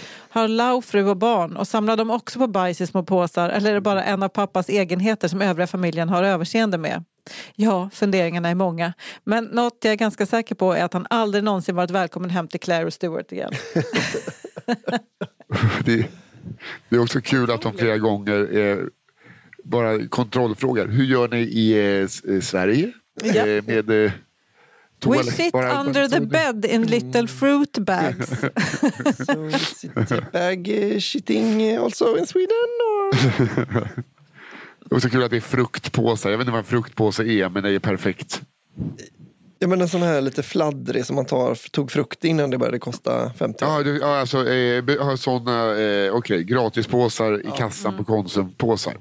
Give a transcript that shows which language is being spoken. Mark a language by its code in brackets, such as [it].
[sv] Har Lau fru och barn och samlar de också på bajs i små påsar, eller är det bara en av pappas egenheter som övriga familjen har överseende med? Ja, funderingarna är många. Men något jag är ganska säker på är att han aldrig någonsin varit välkommen hem till Claire och Stuart igen. Det är också kul att de flera gånger bara kontrollfrågar. Hur gör ni i Sverige? Ja. [en] Med we sit bara under the bed in little fruit bags. So is it bag shitting also in Sweden? Or? [sv] Det är också kul att det är fruktpåsar. Jag vet inte vad en fruktpåse är, men det är perfekt. Ja, men en sån här lite fladdrig som man tog frukt innan det började kosta 50 år. Ja, alltså såna, okej, gratispåsar i kassan på Konsumpåsar.